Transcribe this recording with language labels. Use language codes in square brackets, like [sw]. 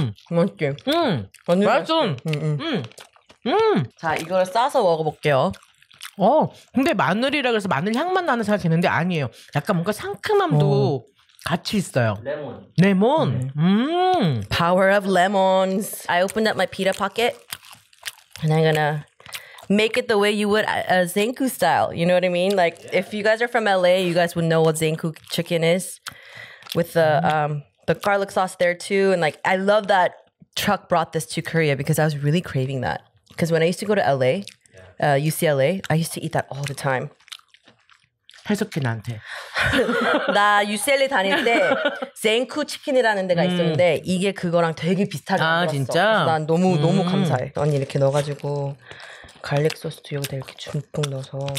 [ko] 맛있지? 맛있어. 맛있어. 자 이걸 싸서 먹어볼게요. 근데 마늘이라 그래서 마늘 향만 나는 생각했는데 아니에요. 약간 뭔가 상큼함도 같이 있어요. 레몬. 레몬. [en] Power of lemons. I opened up my pita pocket and I'm gonna make it the way you would a zenku style. You know what I mean? Like yeah. If you guys are from LA, you guys would know what zenku chicken is with the garlic sauce there too. And like I love that Chuck brought this to Korea because I was really craving that. Because when I used to go to LA. UCLA. I used to eat that all the time. [ko] 해석해 나한테. 나 UCLA 다닐 때 젠쿠 치킨이라는 데가 있었는데 이게 그거랑 되게 비슷하게 먹었어. 아 진짜? 그래서 난 너무 너무 감사해. 언니 이렇게 넣어가지고 갈릭 소스도 여기다 이렇게 듬뿍 넣어서